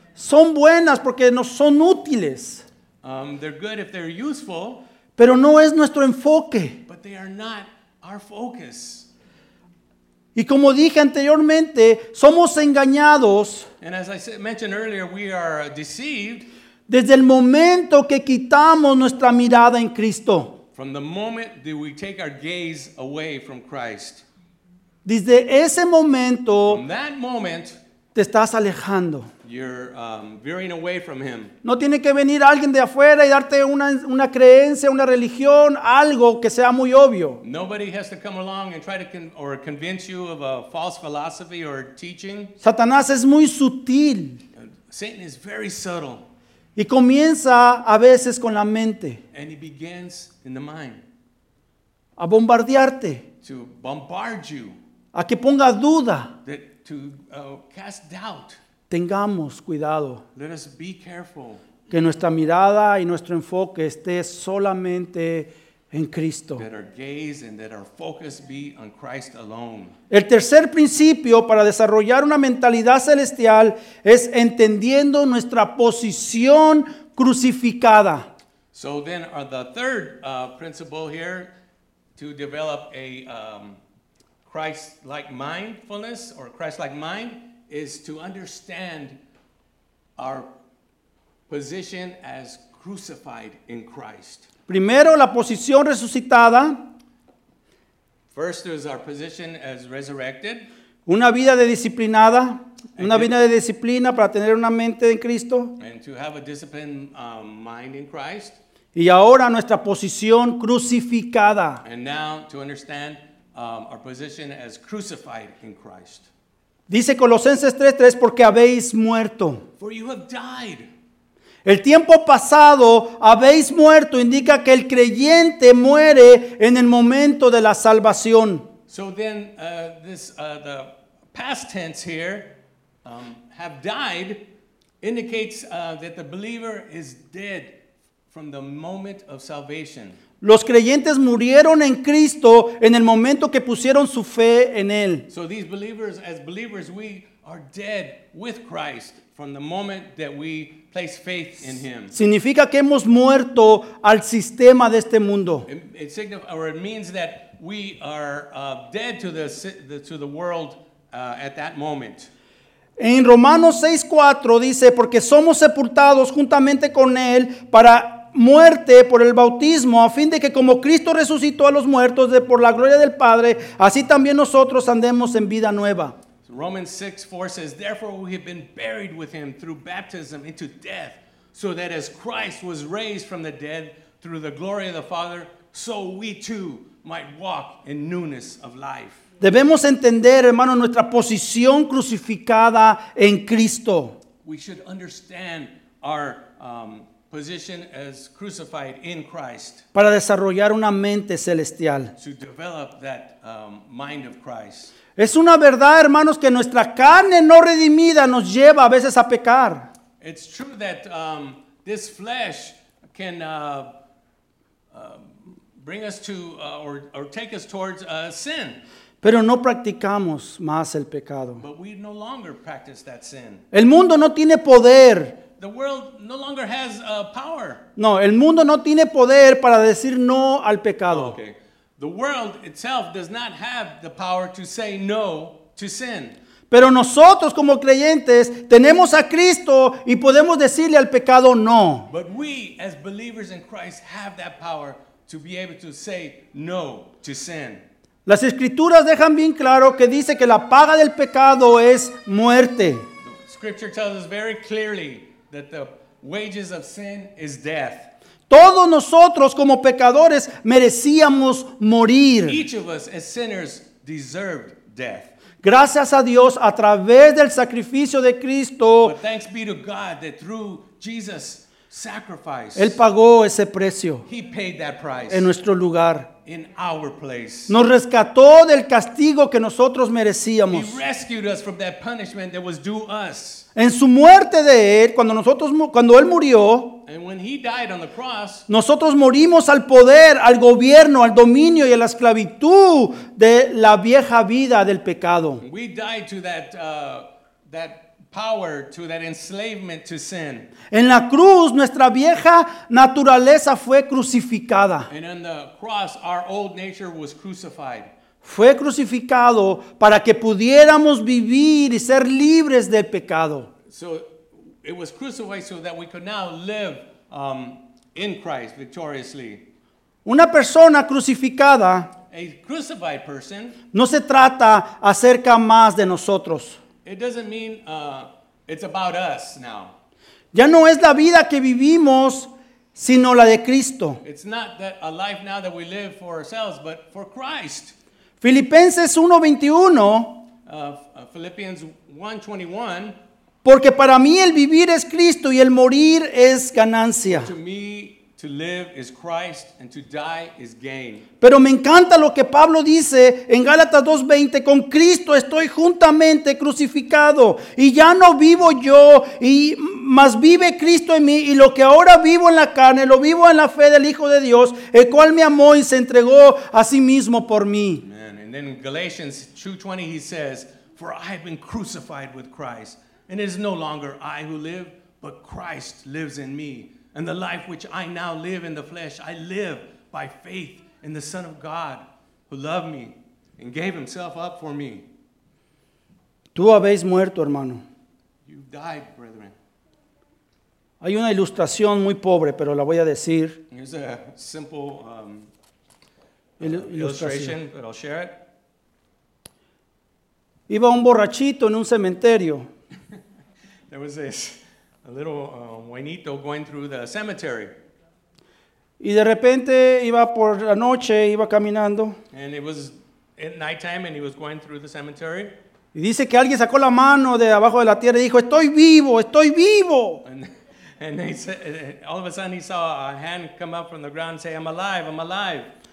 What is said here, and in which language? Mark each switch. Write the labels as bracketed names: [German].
[Spanish] Son buenas porque nos son útiles. [English] They're good if they're useful. [Spanish] Pero no es nuestro enfoque. [English] But they are not our focus. [Spanish] Y como dije anteriormente, somos engañados. [English] And as I mentioned earlier, we are deceived. [Spanish] Desde el momento que quitamos nuestra mirada en Cristo. [English] From the moment that we take our gaze away from Christ. [Spanish] Desde ese momento. [English] From that moment. [Spanish] Te estás alejando. [English] You're veering away from him. [Spanish] No tiene que venir alguien de afuera y darte una creencia, una religión, algo que sea muy obvio. [English] Nobody has to come along and try to convince you of a false philosophy or teaching. [Spanish] Satanás es muy sutil. [English] Satan is very subtle. [Spanish] Y comienza a veces con la mente. [English] And he begins in the mind. [Spanish] A bombardearte. [English] To bombard you. [Spanish] A que ponga duda. [English] To cast doubt. [Spanish] tengamos cuidado. [English] Let us be careful. [Spanish] Que nuestra mirada y nuestro enfoque esté solamente en Cristo. [English] That our gaze and that our focus be on Christ alone. [Spanish] El tercer principio para desarrollar una mentalidad celestial es entendiendo nuestra posición crucificada. [English] So then the third principle here to develop a Christ-like mindfulness or Christ-like mind is to understand our position as crucified in Christ. [Spanish] Primero, la posición resucitada. [English] First is our position as resurrected. [Spanish] Una vida de disciplinada. And una vida de disciplina para tener una mente en Cristo. [English] And to have a disciplined mind in Christ. [Spanish] Y ahora nuestra posición crucificada. [English] And now to understand our position as crucified in Christ. [Spanish] Dice Colosenses 3:3, porque habéis muerto. [English] For you have died. [Spanish] El tiempo pasado habéis muerto indica que el creyente muere en el momento de la salvación. [English] So then the past tense here, have died, indicates that the believer is dead. From the moment of salvation. [Spanish] Los creyentes murieron en Cristo en el momento que pusieron su fe en Él. [English] So these believers, as believers, we are dead with Christ from the moment that we place faith in Him. [Spanish] Significa que hemos muerto al sistema de este mundo. [English] It means that we are dead to the world at that moment. [Spanish] En Romanos 6:4 dice, porque somos sepultados juntamente con Él para muerte por el bautismo, a fin de que como Cristo resucitó a los muertos de por la gloria del Padre, así también nosotros andemos en vida nueva. [English] Romans 6:4 says, therefore we have been buried with him through baptism into death, so that as Christ was raised from the dead through the glory of the Father, so we too might walk in newness of life. [Spanish] Debemos entender, hermano, nuestra posición crucificada en Cristo. [English] We should understand our position as crucified in Christ. [Spanish] Para desarrollar una mente celestial. [English] To develop that mind of Christ. [Spanish] Es una verdad, hermanos, que nuestra carne no redimida nos lleva a veces a pecar. [English] It's true that this flesh can bring us to or take us towards sin. [Spanish] Pero no practicamos más el pecado. [English] But we no longer practice that sin. [Spanish] El mundo no tiene poder. [English] The world no longer has power. [Spanish] No, el mundo no tiene poder para decir no al pecado. [English] Oh, okay. The world itself does not have the power to say no to sin. [Spanish] Pero nosotros como creyentes tenemos a Cristo y podemos decirle al pecado no. [English] But we as believers in Christ have that power to be able to say no to sin. [Spanish] Las escrituras dejan bien claro que dice que la paga del pecado es muerte. [English] The scripture tells us very clearly that the wages of sin is death. [Spanish] Todos nosotros como pecadores merecíamos morir. [English] Each of us as sinners deserved death. [Spanish] Gracias a Dios a través del sacrificio de Cristo. [English] But thanks be to God that through Jesus' sacrifice. [Spanish] Él pagó ese precio. [English] He paid that price. [Spanish] En nuestro lugar. [English] In our place. [Spanish] Nos rescató del castigo que nosotros merecíamos. [English] He rescued us from that punishment that was due us. [Spanish] En su muerte de él, cuando él murió, [English] and when he died on the cross, [Spanish] nosotros morimos al poder, al gobierno, al dominio y a la esclavitud de la vieja vida del pecado. [English] We died to that power, to that enslavement to sin. [Spanish] En la cruz, nuestra vieja naturaleza fue crucificada. [English] And on the cross, our old nature was crucified. [Spanish] Fue crucificado para que pudiéramos vivir y ser libres del pecado. [English] So it was crucified so that we could now live in Christ victoriously. [Spanish] Una persona crucificada, [English] a crucified person, [Spanish] no se trata acerca más de nosotros. [English] It doesn't mean it's about us now. [Spanish] Ya no es la vida que vivimos, sino la de Cristo. [English] It's not that a life now that we live for ourselves, but for Christ. [Spanish] Filipenses 1:21. [English] Philippians 1:21. [Spanish] Porque para mí el vivir es Cristo y el morir es ganancia. [English] To me, To live is Christ, and to die is gain. [Spanish] Pero me encanta lo que Pablo dice en Gálatas 2:20, con Cristo estoy juntamente crucificado, y ya no vivo yo, y más vive Cristo en mí, y lo que ahora vivo en la carne, lo vivo en la fe del Hijo de Dios, el cual me amó y se entregó a sí mismo por mí. [English] Amen. And then in Galatians 2:20 he says, for I have been crucified with Christ, and it is no longer I who live, but Christ lives in me. And the life which I now live in the flesh, I live by faith in the Son of God, who loved me and gave himself up for me. [Spanish] Tú habéis muerto, hermano. [English] You died, brethren. [Spanish] Hay una ilustración muy pobre, pero la voy a decir. [English] Here's a simple illustration, but I'll share it. [Spanish] Iba un borrachito en un cementerio. [English] There was this. A little buenito going through the cemetery. [Spanish] Y de repente iba por la noche, iba caminando. [English] And it was at nighttime and he was going through the cemetery. [Spanish] Y dice que alguien sacó la mano de abajo de la tierra y dijo, estoy vivo, estoy vivo. [English] And he said, all of a sudden he saw a hand come up from the ground and say, I'm alive, I'm alive.